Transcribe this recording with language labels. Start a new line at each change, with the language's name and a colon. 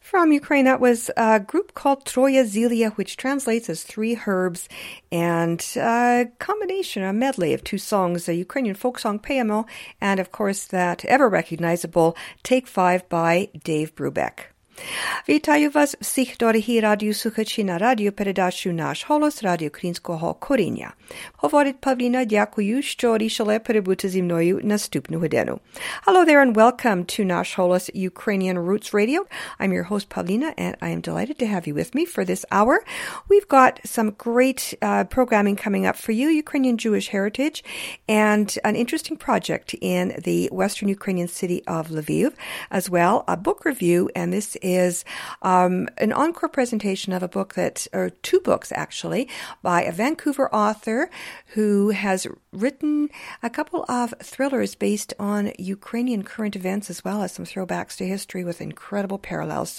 English: Ukraine, that was a group called Troya Zelia, which translates as three herbs, and a combination, a medley of two songs, a Ukrainian folk song, Payamo, and of course that ever recognizable Take Five by Dave Brubeck.
Ukrainian: Вітаю вас всіх, дорогі радіослухачі, на радіопередачу «Наш голос» Радіо Українського коріння. Говорить Павліна, дякую, що рішили перебути зі мною наступну годину.
English: Hello there and welcome to «Наш голос» Ukrainian Roots Radio. I'm your host, Павліна, and I am delighted to have you with me for this hour. We've got some great programming coming up for you, Ukrainian Jewish heritage, and an interesting project in the Western Ukrainian city of Lviv, as well, a book review, and this is an encore presentation of a book that, or two books actually, by a Vancouver author who has written a couple of thrillers based on Ukrainian current events as well as some throwbacks to history with incredible parallels.